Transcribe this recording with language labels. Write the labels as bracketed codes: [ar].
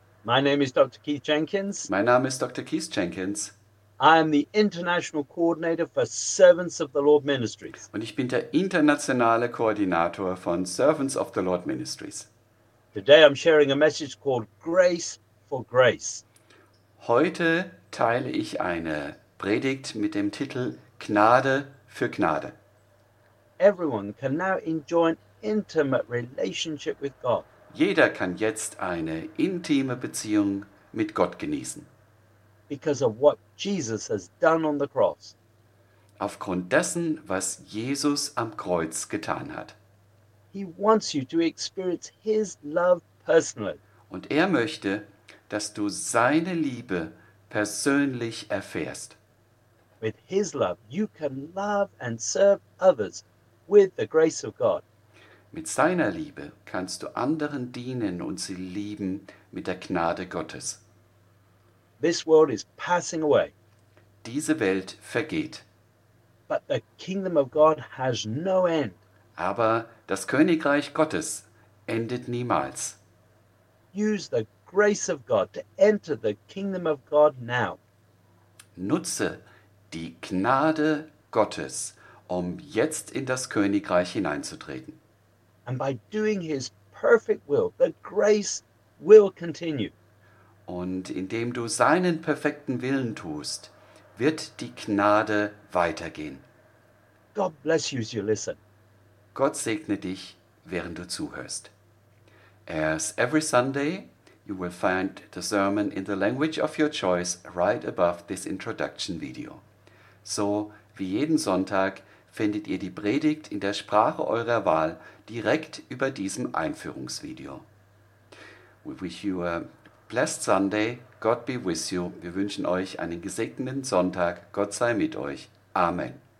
[en] My name is Dr. Keith Jenkins. [de] Mein Name ist Dr. Keith Jenkins. [en] I am the International Coordinator for Servants of the Lord Ministries. [de] Und ich bin der internationale Koordinator von Servants of the Lord Ministries. [en] Today I'm sharing a message called Grace for Grace. [de] Heute teile ich eine Predigt mit dem Titel Gnade für Gnade. [en] Everyone can now enjoy an intimate relationship with God. [de] Jeder kann jetzt eine intime Beziehung mit Gott genießen. [en] Because of what Jesus has done on the cross. [de] Aufgrund dessen, was Jesus am Kreuz getan hat. [en] He wants you to experience his love personally. [de] Und er möchte, dass du seine Liebe persönlich erfährst. [en] With his love, you can love and serve others. With the grace of God. [de] Mit seiner Liebe kannst du anderen dienen und sie lieben mit der Gnade Gottes. [en] This world is passing away. [de] Diese Welt vergeht. [en] But the kingdom of God has no end. [de] Aber das Königreich Gottes endet niemals. [en] Use the grace of God to enter the kingdom of God now. [de] Nutze die Gnade Gottes, um jetzt in das Königreich hineinzutreten. [en] And by doing his perfect will, the grace will continue. [de] Und indem du seinen perfekten Willen tust, wird die Gnade weitergehen. [en] God bless you as you listen. [de] Gott segne dich, während du zuhörst. [en] As every Sunday, you will find the sermon in the language of your choice right above this introduction video. [de] So wie jeden Sonntag findet ihr die Predigt in der Sprache eurer Wahl direkt über diesem Einführungsvideo. [en] We wish you a blessed Sunday. God be with you. [de] Wir wünschen euch einen gesegneten Sonntag. Gott sei mit euch. Amen.